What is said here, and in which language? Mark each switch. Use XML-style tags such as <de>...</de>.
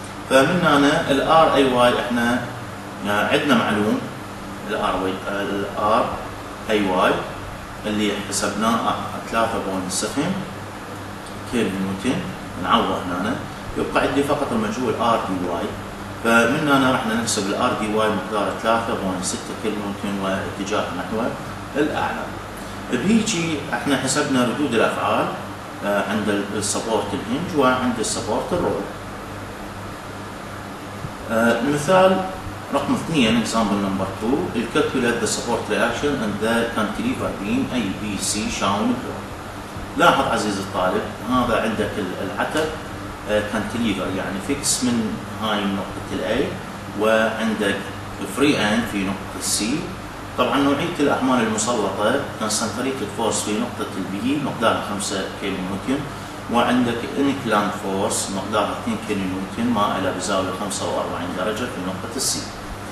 <ar>فمن هنا الـ R A Y احنا عندنا معلوم الـ R A Y اللي حسبناه 3.7 كيلو نيوتن، نعوض هنا يبقى عندي فقط المجهول R D Y. فمن هنا رحنا نحسب ال R D Y مقدار 3.6 كيلو نيوتن واتجاه نحو الأعلى. بهيجي احنا حسبنا ردود الأفعال عند السبورت الهنج وعند السبورت الرول. المثال رقم 2</ar> <en>example number 2 calculate the support reaction and the cantilever beam ABC shown below.</en> <ar>لاحظ عزيزي الطالب هذا عندك العتب cantilever يعني fix من هاي نقطة الـ A وعندك free end في نقطة الـ C. طبعا نوعية الأحمال المسلطة concentrated force في نقطة الـ B مقدارها 5 كيلونيوتن وعندك inclined force مقدارها 2 كيلونيوتن ما إلى بزاوية 45 درجة في نقطة الـ C.</ar>